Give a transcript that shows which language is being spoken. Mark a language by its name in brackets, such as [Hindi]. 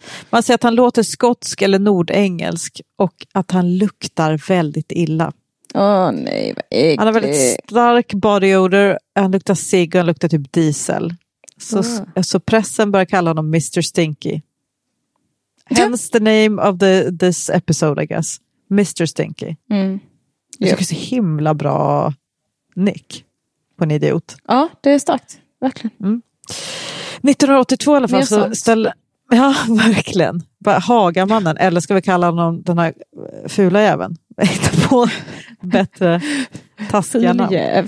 [Swedish] Man säger att han låter skotsk eller nordengelsk. Och att han luktar väldigt illa. Åh, nej. Han har väldigt stark body odor. Han luktar cig och han luktar typ diesel. Så pressen börjar kalla honom Mr. Stinky. [English] Hence the name of this episode, I guess. Mr. Stinky. Mm. [Swedish] Det är så himla bra nick på en idiot. Ja, det är starkt. Verkligen. Mm. 1982 i alla fall. Ja, verkligen. Bara Hagamannen, eller ska vi kalla honom den här fula jäveln? Hitta på bättre taskiga namn.